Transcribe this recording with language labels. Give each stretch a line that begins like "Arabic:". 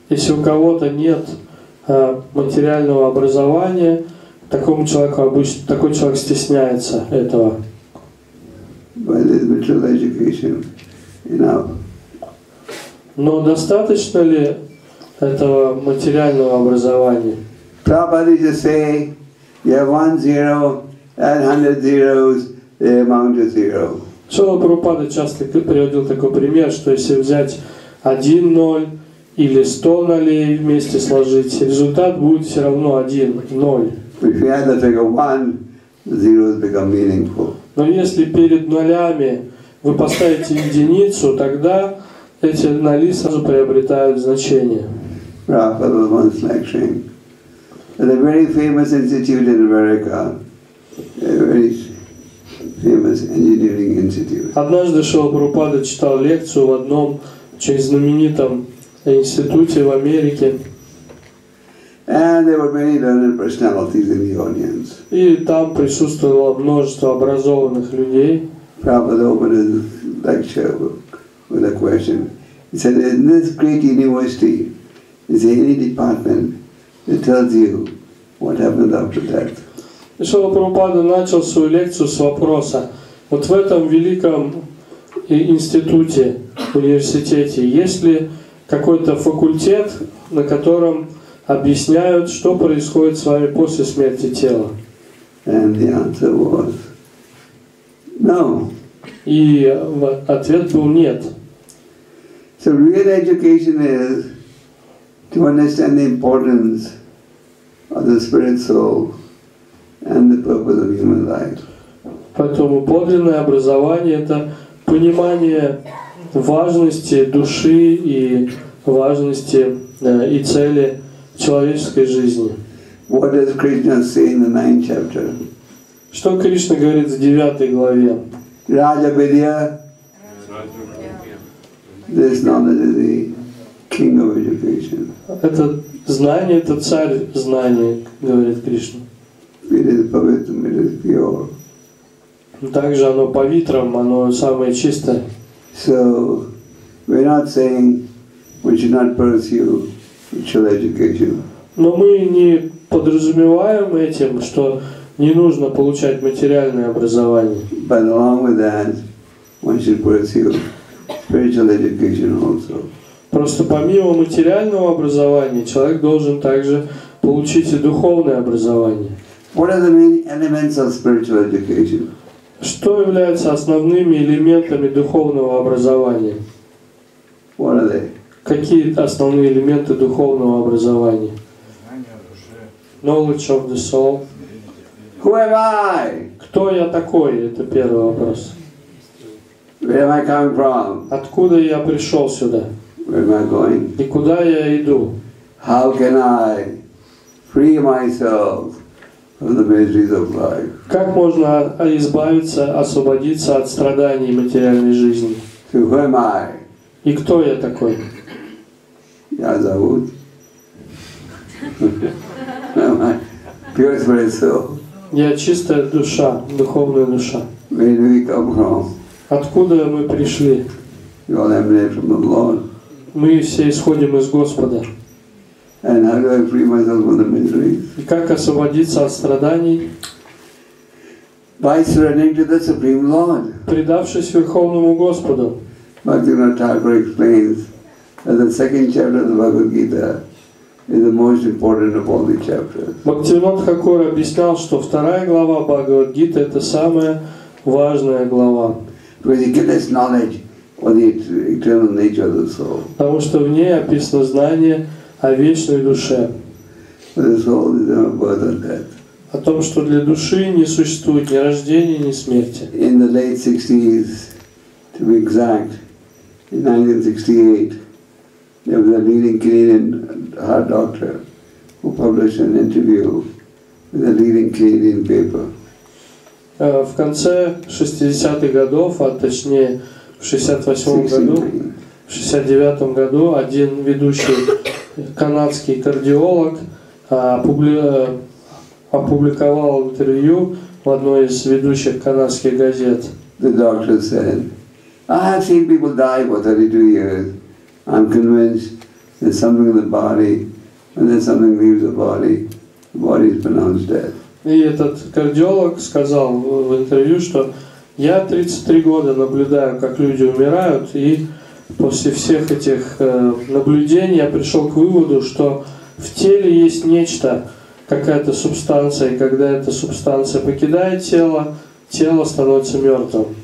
Russian: Если у кого-то нет материального образования, такому человеку обычно такой человек стесняется этого.
English: But is material education enough?
Russian: Но достаточно ли этого материального образования?
English: Prabhupada used to say, you have one zero, add 100 zeros, they amount to zero.
Russian: Шрила Прабхупада часто приводил такой пример, что если взять один ноль или 100 нолей вместе сложить, результат будет все равно 1, 0.
English: If you add the figure 1, zeros become meaningful.
Russian: Но если перед нолями вы поставите единицу, тогда эти ноли сразу приобретают значение.
English: Prabhupada was once lecturing at a very famous institute in America, a very famous engineering institute.
Russian: Однажды Шрила Прабхупада читал лекцию в одном очень знаменитом институте в Америке.
English: And there were many learned personalities in the audience.
Russian: И там присутствовало множество образованных людей.
English: Prabhupada opened his lecture with a question. He said, in this great university, is there any department that tells you what happened after death?
Russian: И Шрила Прабхупада начал свою лекцию с вопроса. Вот в этом великом институте, университете, есть ли какой-то факультет, на котором объясняют, что происходит с вами после смерти тела.
English: And the answer was, no.
Russian: И ответ был нет.
English: So real education is to understand the importance of the spirit soul and the purpose of human life.
Russian: Поэтому подлинное образование — это понимание важности души и важности и цели человеческой жизни.
English: What does Krishna say in the 9th chapter?
Russian: Что Кришна говорит в 9 главе?
Sanskrit: Raja Vidya.
English: This knowledge is the king of education.
Russian: Это знание — это царь знания, говорит Кришна.
English: It is pavitram, it is pure.
Russian: Также оно павитрам, оно самое чистое.
English: So we're not saying we should not pursue actual education.
Russian: Но мы не подразумеваем этим, что не нужно получать материальное образование.
English: But along with that, one should pursue spiritual education also.
Russian: Просто помимо материального образования человек должен также получить и духовное образование.
English: What are the main elements of spiritual education?
Russian: Что является основными элементами духовного образования?
English: What are they?
Russian: Какие основные элементы духовного образования?
English: Knowledge of the soul. Who am I?
Russian: Кто я такой? Это первый вопрос.
English: Where am I coming from?
Russian: Откуда я пришел сюда?
English: Where am I going?
Russian: И куда я иду?
English: How can I free myself? The miseries of life.
Russian: Как можно избавиться, освободиться от страданий материальной жизни?
English: So who am I?
Russian: И кто я такой? Я зовут.
English: Pure spirit soul.
Russian: Я чистая душа, духовная душа.
English: Where do we come from?
Russian: Откуда мы пришли?
English: We all emanate from the Lord.
Russian: Мы все исходим из Господа.
English: And how do I free myself from the misery?
Russian: И как освободиться от страданий?
English: By surrendering to the Supreme Lord.
Russian: Предавшись Верховному Господу.
English: Bhaktivinoda Thakur explains that the second chapter of the Bhagavad Gita is the most important of all the chapters.
Russian: Bhaktivinoda Thakur объяснял, что вторая глава Бхагавад Гиты — это самая важная глава.
English: Because it gives knowledge of the eternal nature of the soul.
Russian: Потому что в ней описано знание о вечной душе, о том, что для души не существует ни рождения, ни смерти.
English: In the late 60s, to be exact, in 1968, there was a leading Canadian heart doctor who published an interview with a leading Canadian paper.
Russian: В конце 60-х годов, а точнее в 68-м году, в 69-м году один ведущий канадский кардиолог опубликовал интервью в одной из ведущих канадских газет.
English: The doctor said, I have seen people die for 32 years. I'm convinced there's something in the body, and then something leaves the body is pronounced dead.
Russian: И этот кардиолог сказал в интервью, что я 33 года наблюдаю, как люди умирают, и после всех этих наблюдений я пришел к выводу, что в теле есть нечто, какая-то субстанция, и когда эта субстанция покидает тело, тело становится мертвым.